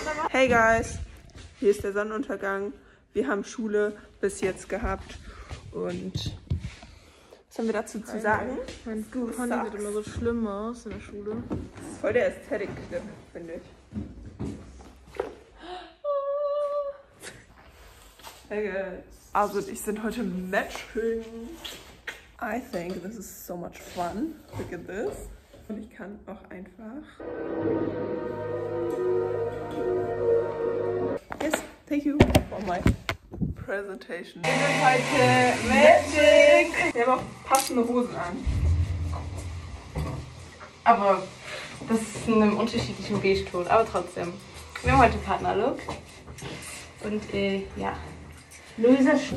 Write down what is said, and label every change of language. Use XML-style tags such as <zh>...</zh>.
<de>Hey guys, hier ist der Sonnenuntergang. Wir haben Schule bis jetzt gehabt und was haben wir dazu zu sagen? Mein Pony sieht immer so schlimm aus in der Schule. Das ist voll der Aesthetic-Clip, finde ich. Also, ich bin heute matching.</de> <en>I think this is so much fun. Look at this.</en> <de>Und ich kann auch einfach.</de> <en>Yes, thank you for my presentation.</en> <de>Wir sind heute matching. Wir haben auch passende Hosen an. Aber das ist in einem unterschiedlichen Beige-Ton. Aber trotzdem. Wir haben heute Partnerlook. Und ja. Luisa.</de>